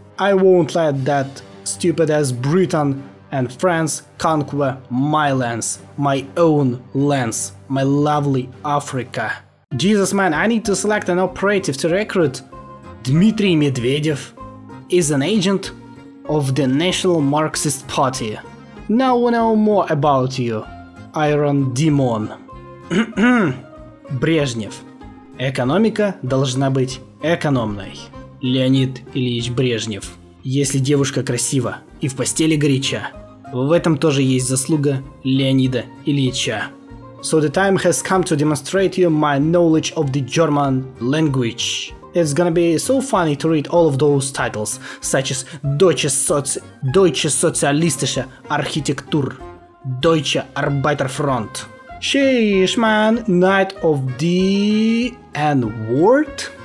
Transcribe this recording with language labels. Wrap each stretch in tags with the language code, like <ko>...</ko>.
<en>I won't let that stupid ass Britain and France conquer my lands, my own lands, my lovely Africa. Jesus man, I need to select an operative to recruit. Dmitry Medvedev is an agent of the National Marxist Party. Now we know more about you, Iron Demon.</en> <ru>Брежнев. Экономика должна быть экономной. Леонид Ильич Брежнев. Если девушка красива и в постели горяча, в этом тоже есть заслуга Леонида Ильича.</ru> <en>So the time has come to demonstrate you my knowledge of the German language. It's gonna be so funny to read all of those titles, such as Deutsche Sozialistische Architektur, Deutsche Arbeiterfront. Sheesh man, Knight of the N-word?</en>